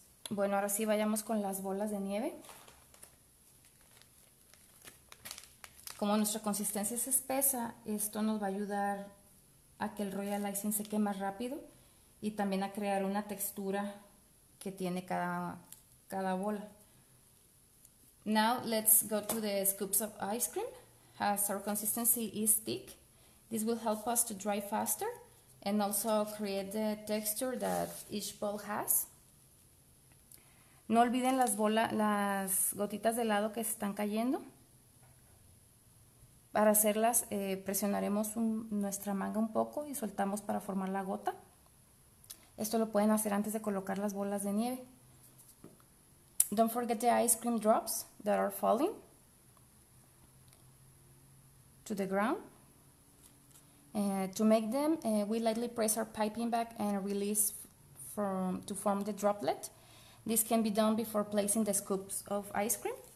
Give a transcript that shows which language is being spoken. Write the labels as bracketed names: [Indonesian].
[Spanish] Bueno, ahora sí vayamos con las bolas de nieve. Como nuestra consistencia es espesa, esto nos va a ayudar a que el Royal Icing seque más rápido y también a crear una textura que tiene cada bola. [English] Now let's go to the scoops of ice cream. As our consistency is thick, this will help us to dry faster and also create the texture that each bowl has. [Spanish] No olviden las gotitas de helado que se están cayendo. Para hacerlas, presionaremos nuestra manga un poco y soltamos para formar la gota. Esto lo pueden hacer antes de colocar las bolas de nieve. [English] Don't forget the ice cream drops that are falling to the ground. To make them, we lightly press our piping bag and release to form the droplet. This can be done before placing the scoops of ice cream.